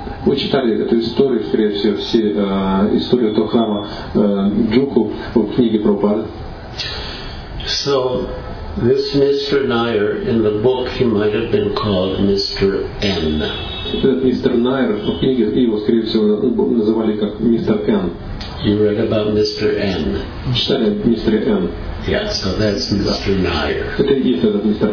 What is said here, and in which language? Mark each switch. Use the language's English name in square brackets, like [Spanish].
[Russian] Вы читали эту историю, скорее всего, все историю этого храма Джуху в книге Прабхупады? [English] So this Mr. Nair, in the book, he might have been called Mr. N. Mr. [Russian] Nair, в книге его, скорее всего, называли как Mr. [English] N. You read about Mr. N. [Russian] Читали Mr. N. [English] Yeah, so that's Mr. Nair. [Russian] Это и есть этот Mr.